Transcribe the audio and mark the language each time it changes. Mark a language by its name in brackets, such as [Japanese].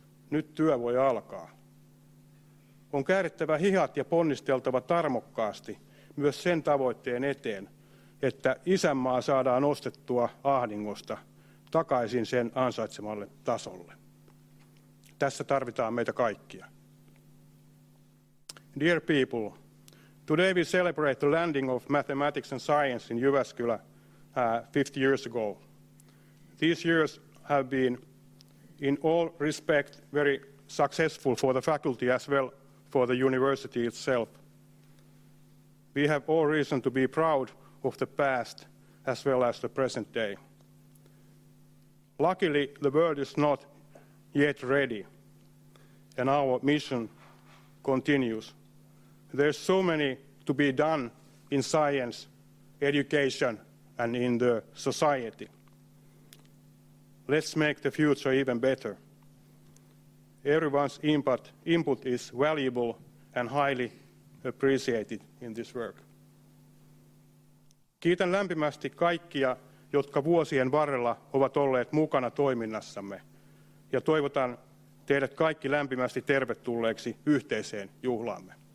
[Finnish] Nyt työ voi alkaa. On käärittävä hihat ja ponnisteltava tarmokkaasti myös sen tavoitteen eteen, että isänmaa saadaan nostettua ahdingosta takaisin sen ansaitsemalle tasolle. Tässä tarvitaan meitä kaikkia. [English] Dear people, today we celebrate the landing of mathematics and science in Jyväskylä 50 years ago. These years have been in all respect very successful for the faculty as well for the university itself. We have all reason to be proud of the past as well as the present day. Luckily, the world is not yet ready, and our mission continues. There's so many to be done in science, education, and in the society. Let's make the future even better. Everyone's input is valuable and highly appreciated in this work. [Finnish] Kiitän lämpimästi kaikkia, jotka vuosien varrella ovat olleet mukana toiminnassamme, ja toivotan teidät kaikki lämpimästi tervetulleeksi yhteiseen juhlaamme.